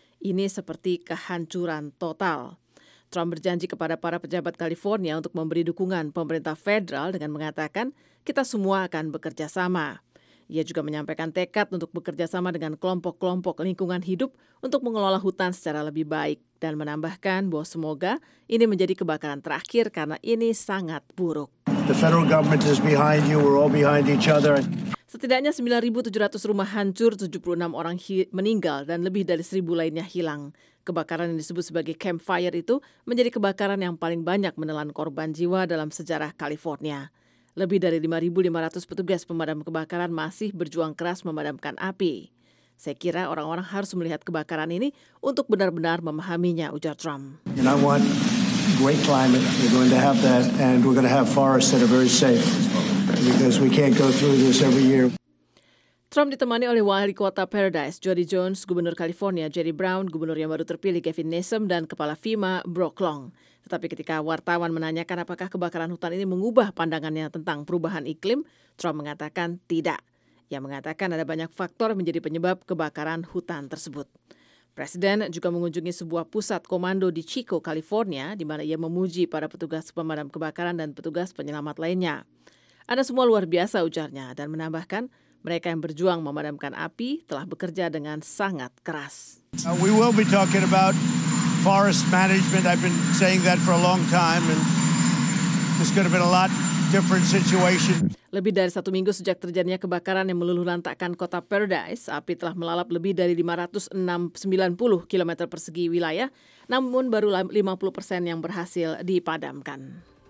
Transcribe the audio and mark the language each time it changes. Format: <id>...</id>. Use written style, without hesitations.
<id>Ini seperti kehancuran total. Trump berjanji kepada para pejabat California untuk memberi dukungan pemerintah federal dengan mengatakan, kita semua akan bekerja sama. Ia juga menyampaikan tekad untuk bekerja sama dengan kelompok-kelompok lingkungan hidup untuk mengelola hutan secara lebih baik dan menambahkan bahwa semoga ini menjadi kebakaran terakhir karena ini sangat buruk.</id> <en>The federal government is behind you, we're all behind each other.</en> <id>Setidaknya 9.700 rumah hancur, 76 orang meninggal, dan lebih dari 1.000 lainnya hilang. Kebakaran yang disebut sebagai Camp Fire itu menjadi kebakaran yang paling banyak menelan korban jiwa dalam sejarah California. Lebih dari 5.500 petugas pemadam kebakaran masih berjuang keras memadamkan api. Saya kira orang-orang harus melihat kebakaran ini untuk benar-benar memahaminya, ujar Trump.</id> <en>And I want great climate. We're going to have that and we're going to have forests that are very safe. Because we can't go through this every year.</en> <id>Trump ditemani oleh Wali Kota Paradise, Jody Jones, Gubernur California, Jerry Brown, Gubernur yang baru terpilih, Gavin Newsom, dan Kepala FEMA, Brock Long. Tetapi ketika wartawan menanyakan apakah kebakaran hutan ini mengubah pandangannya tentang perubahan iklim, Trump mengatakan tidak. Ia mengatakan ada banyak faktor menjadi penyebab kebakaran hutan tersebut. Presiden juga mengunjungi sebuah pusat komando di Chico, California, di mana ia memuji para petugas pemadam kebakaran dan petugas penyelamat lainnya. Anda semua luar biasa, ujarnya, dan menambahkan, mereka yang berjuang memadamkan api telah bekerja dengan sangat keras.</id> <en>We will be talking about forest management. I've been saying that for a long time, and it's going to be a lot different situation.</en> <id>Lebih dari satu minggu sejak terjadinya kebakaran yang meluluhlantakkan kota Paradise, api telah melalap lebih dari 590 km persegi wilayah, namun baru 50% yang berhasil dipadamkan.</id>